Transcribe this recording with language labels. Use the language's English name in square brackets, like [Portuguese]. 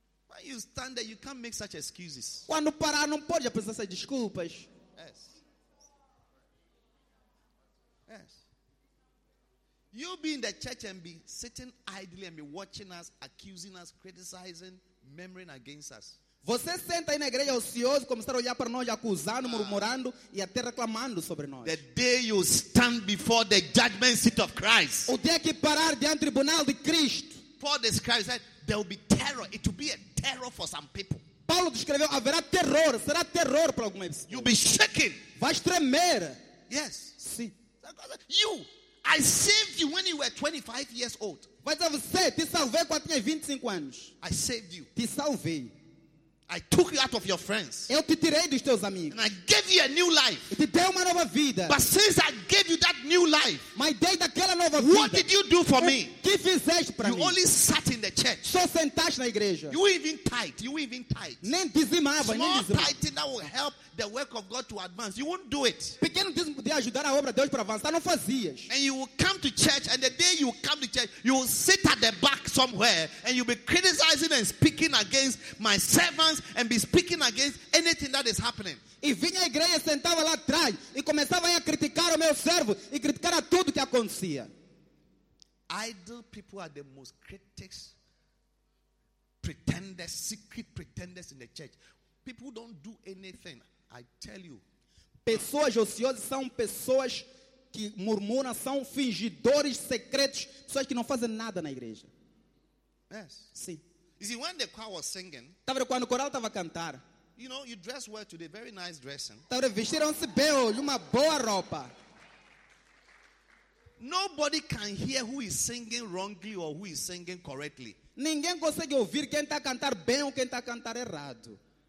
[English] When you stand there, you can't make such excuses. [Portuguese] Quando parar, não pode apresentar essas desculpas. [English] Yes. Yes. You be in the church and be sitting idly and be watching us, accusing us, criticizing, murmuring against us. [Portuguese] Você senta aí na igreja ocioso, começar a olhar para nós, acusando, murmurando e até reclamando sobre nós. [English] The day you stand before the judgment seat of Christ. [Portuguese] O dia que parar diante do tribunal de Cristo. [English] Paul described, said, there will be terror. It will be a terror for some people. [Portuguese] Paulo descreveu, haverá terror, será terror para algumas pessoas. [English] You'll be shaking. [Portuguese] Vai tremer. [English] Yes. [Portuguese] Sim. [English] You. I saved you when you were 25 years old. [Portuguese] Vai dizer você, te salvei quando tinha 25 anos. [English] I saved you. [Portuguese] Te salvei. [English] I took you out of your friends. [Portuguese] Eu te tirei dos teus amigos. [English] And I gave you a new life. [Portuguese] E te dei uma nova vida. [English] But since I gave you that new life, my day [Portuguese] daquela nova [English] what [Portuguese] vida, [English] what did you do for me? [Portuguese] Que fizeste para mim? [English] You only sat in the church. [Portuguese] Só sentaste na igreja. [English] You even tight. [Portuguese] Nem dizimava, [English] small [Portuguese] nem dizimava. [English] Tithing that will help the work of God to advance. You won't do it. [Portuguese] Pequeno dízimo podia ajudar a obra de Deus para avançar, não fazias. [English] And you will come to church, and the day you come to church, you will sit at the back somewhere, and you'll be criticizing and speaking against my servants, and be speaking against anything that is happening. [Portuguese] E vinha à igreja, sentava lá atrás e começava a criticar o meu servo e criticar a tudo que acontecia. [English] Idle people are the most critics, pretenders, secret pretenders in the church. People who don't do anything. I tell you. [Portuguese] Pessoas ociosas são pessoas que murmuram são fingidores secretos, pessoas que não fazem nada na igreja. [English] Yes. [Portuguese] Sim. [English] You see, when the choir was singing, [Portuguese] tá vendo quando o coral estava a cantar? [English] You know, you dress well today, very nice dressing. [Portuguese] Tá vendo, vestiram-se bem hoje, uma boa roupa. [English] Nobody can hear who is singing wrongly or who is singing correctly. [Portuguese] Ninguém consegue ouvir quem está a cantar bem ou quem está a cantar errado.